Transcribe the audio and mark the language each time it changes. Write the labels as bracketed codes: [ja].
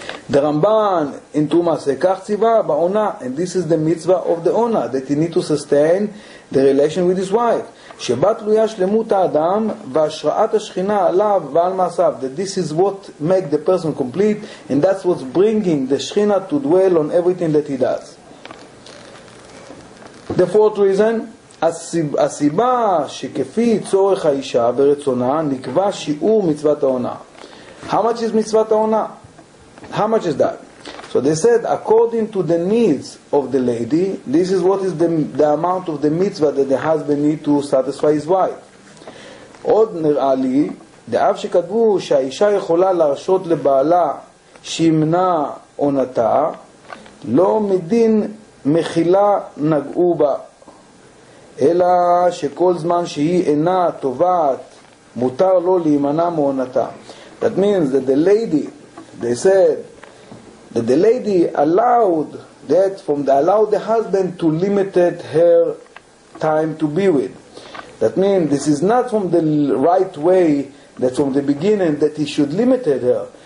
[en] דרמבן, in תרומה, say, [he] כך ציווה בעונה, [en] and this is the mitzvah of the honor, that you need to sustain the relation with his wife. [he] שבה תלויה שלמות האדם והשראת השכינה עליו ועל מעשיו, [en] that this is what make the person complete and that's what's bringing the שכינה to dwell on everything that he does. The fourth reason, [he] הסיבה שכפי צורך האישה ורצונה נקבע שיעור מצוות העונה. [en] How much is מצוות העונה? How much is that? So they said, according to the needs of the lady, this is what is the amount of the mitzvah that the husband needs to satisfy his wife. [he] עוד נראה לי, דאף שכתבו שהאישה יכולה להרשות לבעלה שימנע עונתה, לא מדין מכילה נגעו בה, אלא שכל זמן שהיא אינה טובעת, מותר לו להימנע מעונתה. [en] That means that the lady, they said, that the lady allowed that from the allowed the husband to limited her time to be with. That means this is not from the right way, that from the beginning that he should limited her.